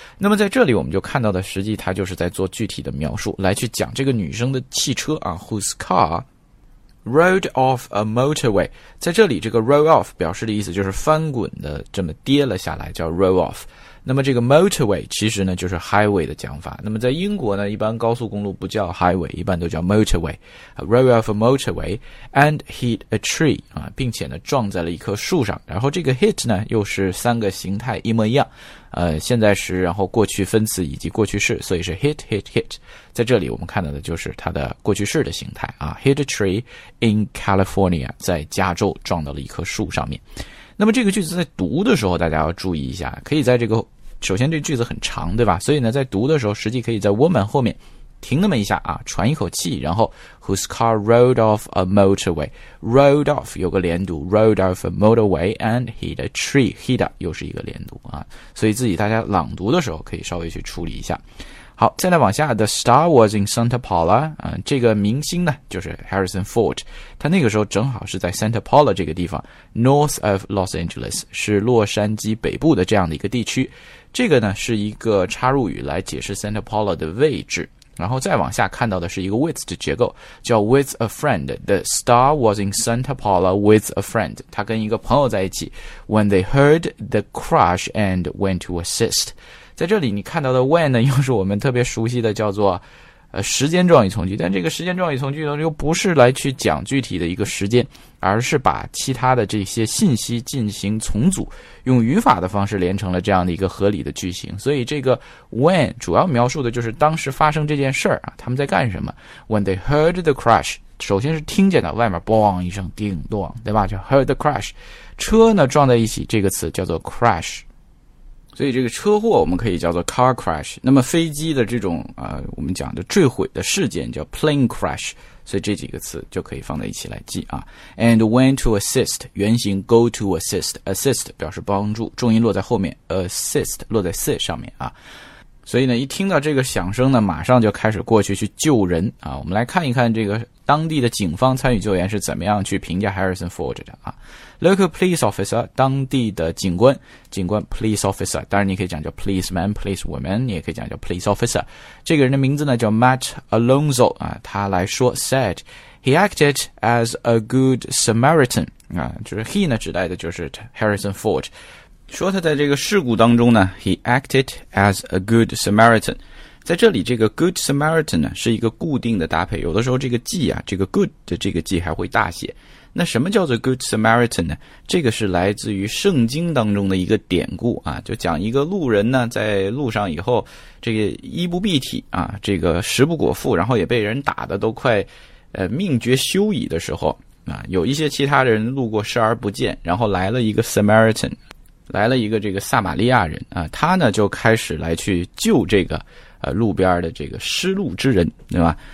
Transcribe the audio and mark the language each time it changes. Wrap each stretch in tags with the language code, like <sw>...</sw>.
<zh>那么在这里我们就看到的实际它就是在做具体的描述，来去讲这个女生的汽车啊 ,</zh> <en>whose car rolled off a motorway。</en> <zh>在这里这个 roll off 表示的意思就是翻滚的这么跌了下来，叫 roll off。那么这个 motorway 其实呢就是 highway 的讲法。那么在英国呢，一般高速公路不叫 highway， 一般都叫 motorway。</zh> <en>Roll off a motorway and hit a tree 啊，</en> <zh>并且呢撞在了一棵树上。然后这个 hit 呢又是三个形态一模一样，现在时，然后过去分词以及过去式，所以是 hit hit hit。在这里我们看到的就是它的过去式的形态啊 ，</zh> <en>hit a tree in California，</en> <zh>在加州撞到了一棵树上面。那么这个句子在读的时候大家要注意一下，可以在这个首先这句子很长对吧，所以呢在读的时候实际可以在 woman 后面停那么一下啊，喘一口气，然后</zh> <en>whose car rolled off a motorway. Rolled off</en> <zh>有个连读，</zh> <en>rolled off a motorway and hit a tree.</en> <zh>Hit 又是一个连读啊，所以自己大家朗读的时候可以稍微去处理一下。好，再来往下，</zh> <en>The star was in Santa Paula、</en> <zh>这个明星呢就是 Harrison Ford， 他那个时候正好是在 Santa Paula 这个地方，</zh> <en>North of Los Angeles，</en> <zh>是洛杉矶北部的这样的一个地区。这个呢是一个插入语来解释 Santa Paula 的位置。然后再往下看到的是一个</zh> <en>with 的结构，叫 with a friend， The star was in Santa Paula with a friend，</en> <zh>他跟一个朋友在一起，</zh> <en>When they heard the crash and went to assist。</en> <zh>在这里你看到的 when 呢，又是我们特别熟悉的叫做时间状语从句，但这个时间状语从句呢又不是来去讲具体的一个时间，而是把其他的这些信息进行重组，用语法的方式连成了这样的一个合理的句型。所以这个 when 主要描述的就是当时发生这件事儿啊，他们在干什么。</zh> <en>When they heard the crash，</en> <zh>首先是听见的外面嘣一声叮咚，对吧，就</zh> <en>heard the crash，</en> <zh>车呢撞在一起，这个词叫做 crash，所以这个车祸我们可以叫做 car crash， 那么飞机的这种我们讲的坠毁的事件叫 plane crash， 所以这几个词就可以放在一起来记啊。</zh> <en>And when to assist，</en> <zh>原型</zh> <en>go to assist，</en> <zh>assist 表示帮助，重音落在后面， assist 落在 sit 上面啊。所以呢一听到这个响声呢马上就开始过去去救人啊。我们来看一看这个当地的警方参与救援是怎么样去评价 Harrison Ford 的啊。 Local police officer， 当地的警官，警官 police officer， 当然你可以讲叫 policeman policewoman， 你也可以讲叫 police officer， 这个人的名字呢叫 Matt Alonso 啊，他来说</zh> <en>said he acted as a good Samaritan</en> <zh>啊，就是 he 呢指代的就是 Harrison Ford， 说他在这个事故当中呢</zh> <en>he acted as a good Samaritan。</en> <zh>在这里这个 good Samaritan 呢是一个固定的搭配，有的时候这个 g 啊，这个 good 的这个 g 还会大写。那什么叫做 good Samaritan 呢，这个是来自于圣经当中的一个典故啊，就讲一个路人呢在路上以后这个衣不蔽体啊，这个食不果腹，然后也被人打得都快命绝休矣的时候啊，有一些其他人路过视而不见，然后来了一个 Samaritan， 来了一个这个撒玛利亚人啊，他呢就开始来去救这个路边的这个失路之人，对吧？</zh>